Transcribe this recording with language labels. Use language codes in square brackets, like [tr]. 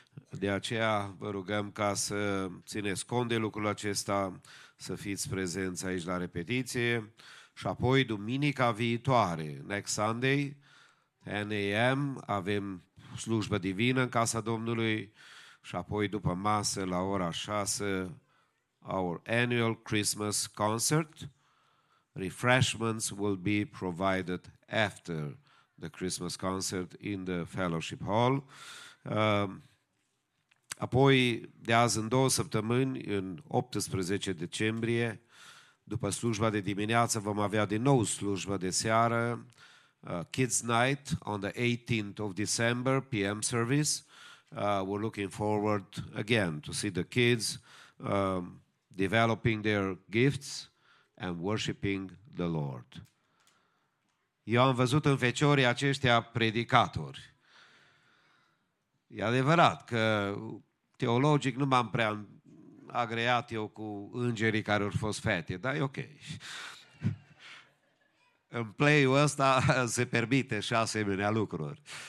[ro] De aceea vă rugăm ca să țineți cont de lucrul acesta, să fiți prezenți aici la repetiție. Și apoi, duminica viitoare, [en] next Sunday, 10 a.m., [ro] avem slujbă divină în casa Domnului și apoi, după masă, la ora 6, [en] our annual Christmas concert. Refreshments will be provided after the Christmas concert in the fellowship hall. [ro] Apoi, de azi în două săptămâni, în 18 decembrie, după slujba de dimineață, vom avea din nou slujba de seară, [en] Kids Night on the 18th of December, PM service. We're looking forward again to see the kids developing their gifts and worshiping the Lord. [ro] Eu am văzut în feciorii aceștia predicatori. E adevărat că teologic nu m-am prea agreat eu cu îngerii care au fost fete, dar e ok. În play-ul ăsta se permite și asemenea lucruri.